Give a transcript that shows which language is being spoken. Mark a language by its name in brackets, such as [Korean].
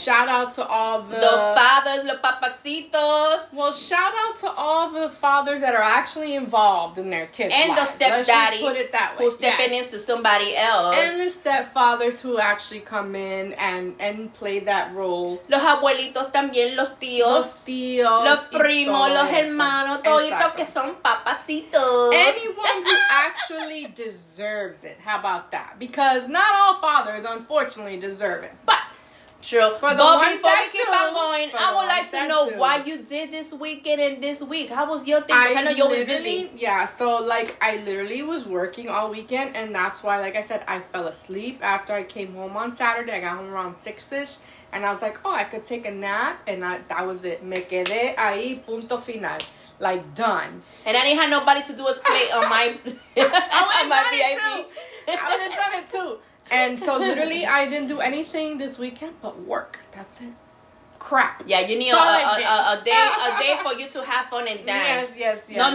[English] Shout out to all the... The fathers, [Spanish] los papacitos. [English] Well, shout out to all the fathers that are actually involved in their kids' and lives. The stepdaddies. Let's put it that way. Who stepping into somebody else. And the stepfathers who actually come in and play that role. [Spanish] Los abuelitos también, los tíos. Los tíos. Los primos, los hermanos, toditos que son papacitos. [English] Anyone who actually deserves it. How about that? Because not all fathers, unfortunately, deserve it. But, true. For the but before we keep do, on going, I would like to know do. Why you did this weekend and this week. How was your thing? I know you were busy. Yeah, so, like, I literally was working all weekend, and that's why, like I said, I fell asleep after I came home on Saturday. I got home around 6-ish, and I was like, oh, I could take a nap, and that was it. [Spanish] Me quedé ahí, punto final. [English] Like, done. And I didn't have nobody to do a split on my VIP. I would have done it, too. And so, literally, I didn't do anything this weekend but work. That's it. Crap. Yeah, you need a day for you to have fun and dance. Yes, yes, yes.